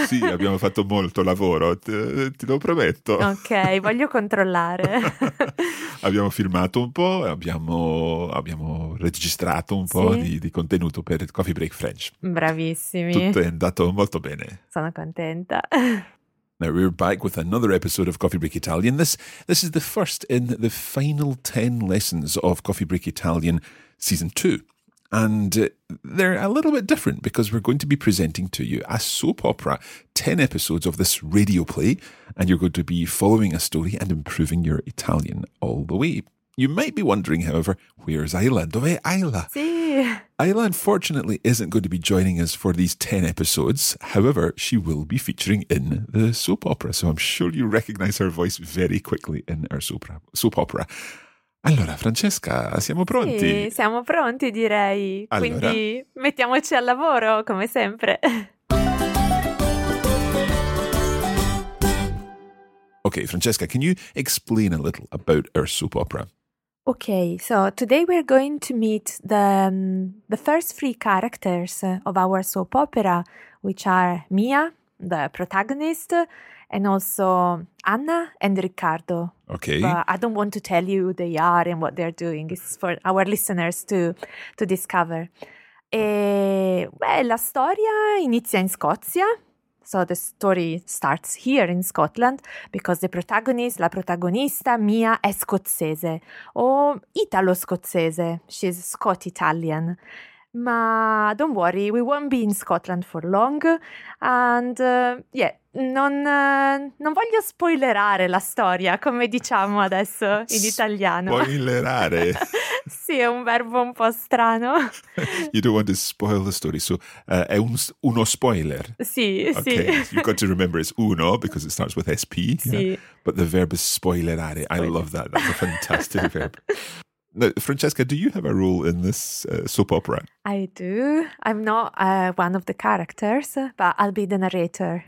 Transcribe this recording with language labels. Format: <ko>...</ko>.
<it>Sì, abbiamo fatto molto lavoro, ti lo prometto. Ok, voglio controllare. Abbiamo filmato un po', abbiamo registrato un po' di contenuto per Coffee Break French. Bravissimi. Tutto è andato molto bene. Sono contenta.</it> <en>Now we're back with another episode of Coffee Break Italian. This is the first in the final 10 lessons of Coffee Break Italian Season 2. And they're a little bit different because we're going to be presenting to you a soap opera, 10 episodes of this radio play, and you're going to be following a story and improving your Italian all the way. You might be wondering, however, where's Ayla?</en> <it>Dov'è Ayla? Sì.</it> <en>Ayla, unfortunately, isn't going to be joining us for these 10 episodes. However, she will be featuring in the soap opera. So I'm sure you recognize her voice very quickly in our soap opera.</en> <it>Allora, Francesca, siamo pronti? Sì, siamo pronti, direi. Allora. Quindi mettiamoci al lavoro, come sempre.</it> <en>Okay, Francesca, can you explain a little about our soap opera? Okay, so today we're going to meet the first three characters of our soap opera, which are Mia, the protagonist, and also Anna and Riccardo. Okay. But I don't want to tell you who they are and what they're doing. It's for our listeners to discover.</en> <it>La storia inizia in Scozia.</it> <en>So the story starts here in Scotland because the protagonist,</en> <it>la protagonista,</it> <en>Mia,</en> <it>è scozzese o italo-scozzese.</it> <en>She's Scot-Italian. Ma don't worry, we won't be in Scotland for long.</en> <it>And non voglio spoilerare la storia, come diciamo adesso in italiano. Spoilerare? Sì, è un verbo un po' strano.</it> <en>You don't want to spoil the story, so</en> <it>è uno spoiler. Sì,</it> <en>okay.</en> <it>Sì.</it> <en>So you've got to remember it's uno, because it starts with SP.</en> <it>Sì.</it> <en>Know? But the verb is spoilerare. Spoiler. I love that. That's a fantastic verb. Now, Francesca, do you have a role in this soap opera? I do. I'm not one of the characters, but I'll be the narrator.</en>